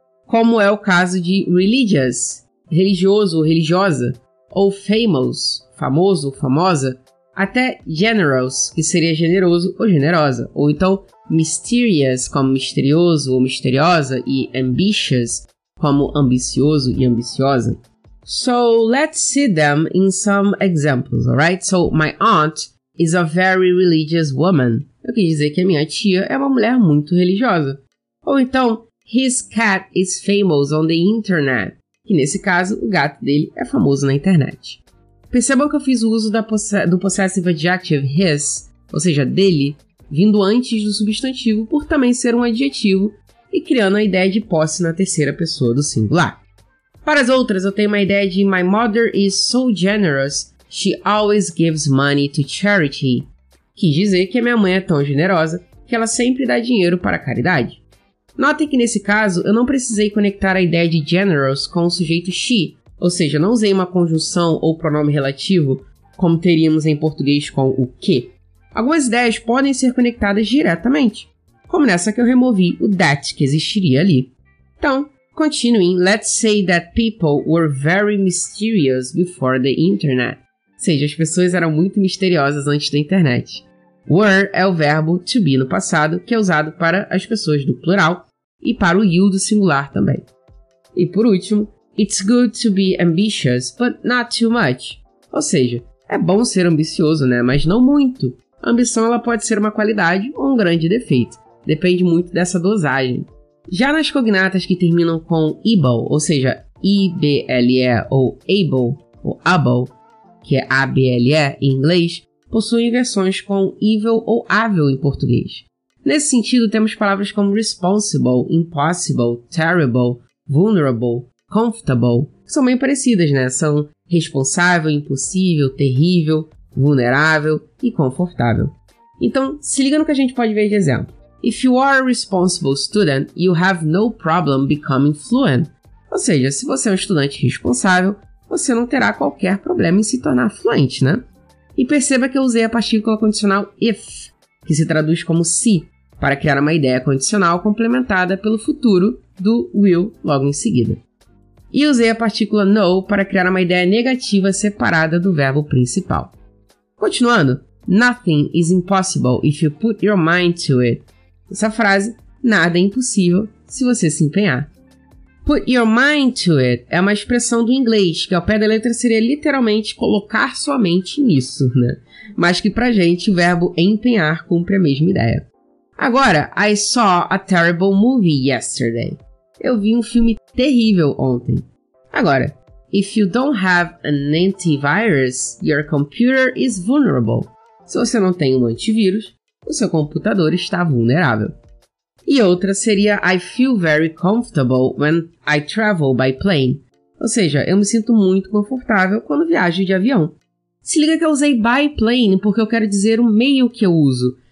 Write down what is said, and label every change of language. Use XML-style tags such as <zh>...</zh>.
<pt>Como é o caso de religious, religioso ou religiosa, ou famous, famoso ou famosa, até generous, que seria generoso ou generosa, ou então mysterious, como misterioso ou misteriosa, e ambitious, como ambicioso e ambiciosa.</pt> <en>So, let's see them in some examples, alright? So, my aunt is a very religious woman.</en> <pt>Eu quis dizer que a minha tia é uma mulher muito religiosa. Ou então,</pt> <en>his cat is famous on the internet.</en> <pt>Que nesse caso, o gato dele é famoso na internet. Percebam que eu fiz o uso do possessive adjective his, ou seja, dele, vindo antes do substantivo, por também ser um adjetivo, e criando a ideia de posse na terceira pessoa do singular. Para as outras, eu tenho uma ideia de</pt> <en>my mother is so generous, she always gives money to charity.</en> <pt>Quis dizer que a minha mãe é tão generosa que ela sempre dá dinheiro para a caridade. Notem que nesse caso, eu não precisei conectar a ideia de generous com o sujeito she, ou seja, não usei uma conjunção ou pronome relativo como teríamos em português com o que. Algumas ideias podem ser conectadas diretamente, como nessa que eu removi o that que existiria ali. Então,</pt> <en>continuing, let's say that people were very mysterious before the internet.</en> <pt>Ou seja, as pessoas eram muito misteriosas antes da internet. Were é o verbo to be no passado, que é usado para as pessoas do plural e para o you do singular também. E por último,</pt> <en>it's good to be ambitious, but not too much.</en> <pt>Ou seja, é bom ser ambicioso, né? Mas não muito. A ambição ela pode ser uma qualidade ou um grande defeito. Depende muito dessa dosagem. Já nas cognatas que terminam com able, ou seja, I-B-L-E ou able, ou able, que é A-B-L-E em inglês, possuem versões com evil ou ável em português. Nesse sentido, temos palavras como responsible, impossible, terrible, vulnerable, comfortable, que são bem parecidas, né? São responsável, impossível, terrível, vulnerável e confortável. Então, se liga no que a gente pode ver de exemplo.</pt> <en>If you are a responsible student, you have no problem becoming fluent.</en> <pt>Ou seja, se você é um estudante responsável, você não terá qualquer problema em se tornar fluente, né? E perceba que eu usei a partícula condicional if, que se traduz como se, para criar uma ideia condicional complementada pelo futuro do will logo em seguida. E usei a partícula know para criar uma ideia negativa separada do verbo principal. Continuando,</pt> <en>nothing is impossible if you put your mind to it.</en> <pt>Essa frase, nada é impossível se você se empenhar.</pt> <en>Put your mind to it</en> <pt>é uma expressão do inglês, que ao pé da letra seria literalmente colocar sua mente nisso, né? Mas que pra gente o verbo empenhar cumpre a mesma ideia. Agora,</pt> <en>I saw a terrible movie yesterday.</en> <pt>Eu vi um filme terrível ontem. Agora,</pt> <en>if you don't have an antivirus, your computer is vulnerable.</en> <pt>Se você não tem um antivírus, o seu computador está vulnerável. E outra seria</pt> <en>I feel very comfortable when I travel by plane.</en> <pt>Ou seja, eu me sinto muito confortável quando viajo de avião. Se liga que eu usei by plane porque eu quero dizer o meio que eu uso.</pt>